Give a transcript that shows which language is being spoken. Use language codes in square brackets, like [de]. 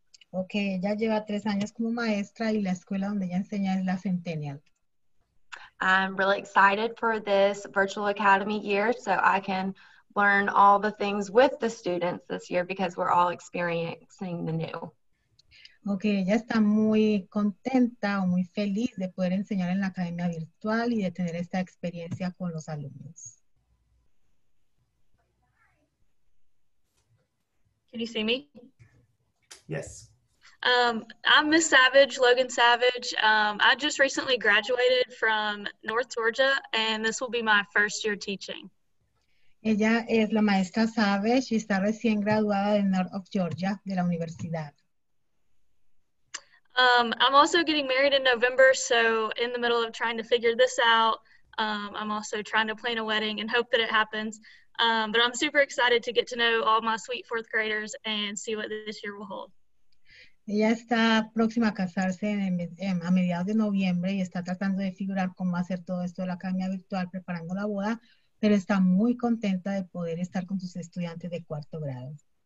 [es] Okay, ella lleva 3 años como maestra y la escuela donde ella enseña es la Centennial. [en] I'm really excited for this virtual academy year so I can learn all the things with the students this year because we're all experiencing the new. [es] Okay, ella está muy contenta o muy feliz de poder enseñar en la academia virtual y de tener esta experiencia con los alumnos. [en] Can you see me? Yes. I'm Ms. Savage, Logan Savage. I just recently graduated from North Georgia, and this will be my first year teaching. [es] Ella es la maestra Savage y está recién graduada de North of Georgia, de la universidad. [en] I'm also getting married in November, so in the middle of trying to figure this out, I'm also trying to plan a wedding and hope that it happens. But I'm super excited to get to know all my sweet fourth graders and see what this year will hold. [es] Ella está próxima a casarse a mediados de noviembre y está tratando de figurar cómo hacer todo esto de la academia virtual preparando la boda, pero está muy contenta de poder estar con sus estudiantes de cuarto grado.